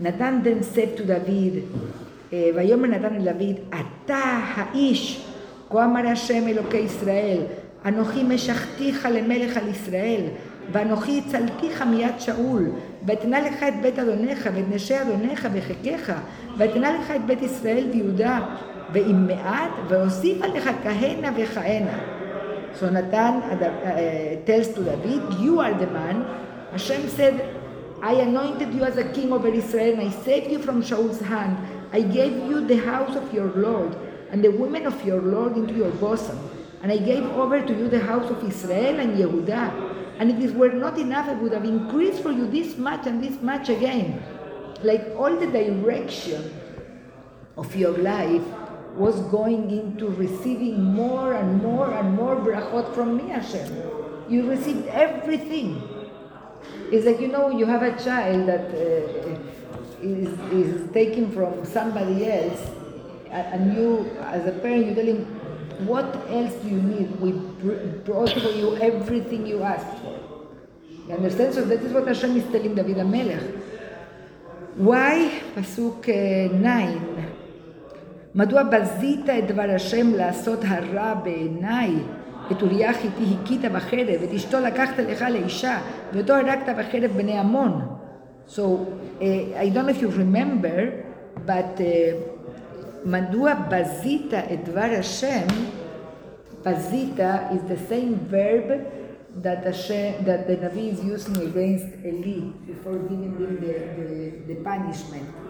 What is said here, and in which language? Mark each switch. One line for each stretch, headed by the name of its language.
Hebrew: Natan then said to David, Vayomer Natan el David, Ata ha'ish, ko amar Hashem Elokei Israel, Anochi meshachticha lemelech al Israel, ואנוכי הצלתיך מיד שאול, ואתנה לך את בית אדונך, ואת נשי אדונך וחכך, ואתנה לך את בית ישראל ויהודה, ועם מעט, ואוסיף עליך כהנה וכהנה.
English: So Nathan tells to David, you are the man. Hashem said, I anointed you as a king over Israel, and I saved you from Shaul's hand. I gave you the house of your Lord, and the women of your Lord into your bosom. And I gave over to you the house of Israel and Yehuda. And if this were not enough, I would have increased for you this much and this much again. Like all the direction of your life was going into receiving more and more and more brachot from me, Hashem. You received everything. It's like, you know, you have a child that is taken from somebody else, and you, as a parent, you tell him, what else do you need? We brought for you everything you asked for. You understand? So that is what Hashem is telling David HaMelech. Why? Pasuk 9.
Hebrew: מדוע בזית את דבר השם לעשות הרע בעיניי? את אוריה חיתי הקית בחרב, את אשתו לקחת לך לאישה, ואותו הרגת בחרב בני המון.
English: So, I don't know if you remember, but מדוע בזית את דבר השם, בזיתה is the same verb that Hashem, that the Navi is using against Eli before giving him the punishment.